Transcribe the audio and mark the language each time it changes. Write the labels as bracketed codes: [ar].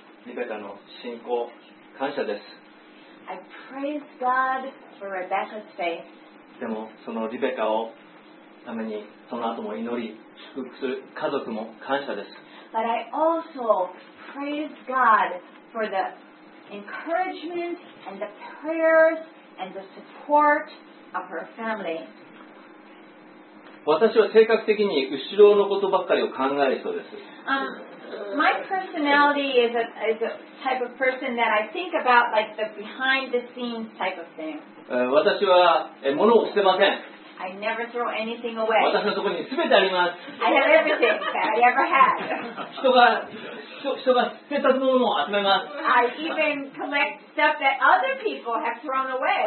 [ja] Rebecca の信仰、感謝です。 [en] I praise God for Rebecca's faith. [ja] でもそのリベカをためにその後も祈り祝福する家族も感謝です。 [en] But I also praise God for the encouragement and the prayers and the support of her family. [ja] 私は性格的に後ろのことばっかりを考えそうです。 [en] My personality is a type of person that I think about like the behind the scenes type of thing. [ja] 私は物を捨てません。 [en] I never throw anything away. [ja] 私のところに全てあります。 [en] I have everything that I ever had. [ja] 人が捨てたものを集めます。 [en] I even collect stuff that other people have thrown away.